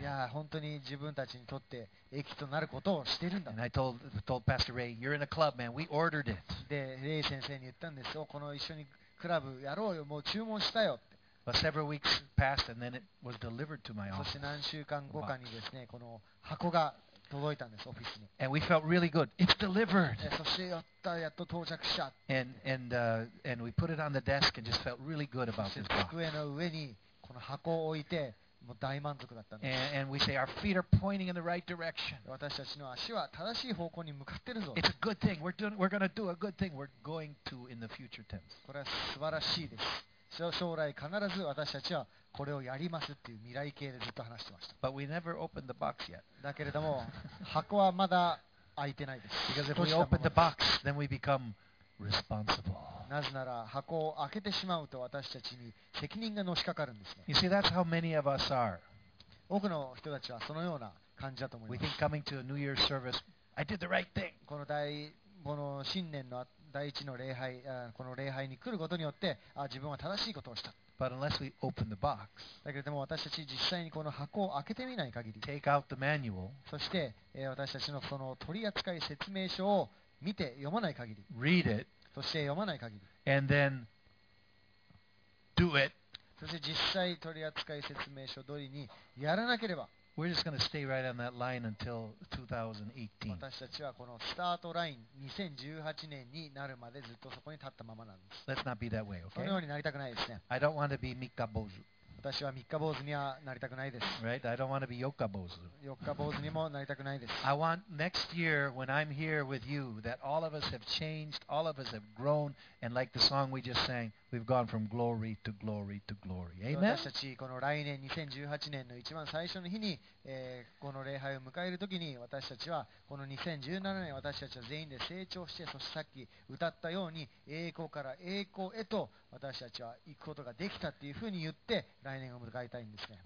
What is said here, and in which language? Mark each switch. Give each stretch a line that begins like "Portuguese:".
Japanese: いや本当に自分たちにとって益となることをしているんだ。
English: And I told Pastor Ray, you're in a club, man. We ordered it.
Japanese: で、レイ先生に言ったんですよ。この一緒にクラブやろうよ。もう注文したよって。
English: But several weeks passed, and then it was delivered to my office.
Japanese: そして何週間後かにですね、この箱が届いたんです、オフィスに。
English: And we felt really good. It's delivered.
Japanese: そしてやった、やっと到着した。
English: And we put it on the desk and just felt really good about this box.
Japanese: 机の上にこの箱を置いて、もう大満足だったんです。
English: And we say our feet are pointing in the right direction.
Japanese: 私たちの足は正しい方向に向かってるぞ。
English: It's a good thing. We're going to do a good thing. We're going to in the future tense.
Japanese: これは素晴らしいです。将来必ず私たちはこれをやりますっていう未来形でずっと話してました。
English: But we never opened the box yet.
Japanese: だけれども箱はまだ開いてないです。
English: Because if we open the box, then we become responsible.
Japanese: なぜなら箱を開けてしまうと私たちに責任がのしかかるんですね。
English: You see, that's how many of us are.
Japanese: 多くの人たちはそのような感じだと思います。
English: We think coming to a New Year's service, I did the right thing.
Japanese: この新年の第一の礼拝、この礼拝に来ることによって、あ、自分は正しいことをした。
English: But unless we open the box,
Japanese: だけれども私たち実際にこの箱を開けてみない限り、
English: take out the manual,
Japanese: そして、私たちのその取扱い説明書を見て読まない限り、
English: read it.
Japanese: そして読まない限り、
English: and then do it.
Japanese: そして実際取り扱い説明書通りにやらなければ、
English: we're just going to stay right on that line until 2018.
Japanese: 私たちはこのスタートライン2018年になるまでずっとそこに立ったままなんです。
English: Let's not be that way, okay?
Japanese: そのようになりたくないですね。
English: I don't want to be 三日坊主。
Japanese: 私は三日坊主にはなりたくないです。
English: Right? I don't want to be 四日坊主。
Japanese: 四日坊主にもなりたくないです。
English: I want next year when I'm here with you that all of us have changed, all of us have grown, and like the song we just sang, we've gone from glory to glory to glory. Amen?
Japanese: 私たちこの来年2018年の一番最初の日に、この礼拝を迎えるときに私たちはこの2017年私たちは全員で成長して、そしてさっき歌ったように栄光から栄光へと私たちは行くことができたっていうふうに言って来年を迎えたいんですね。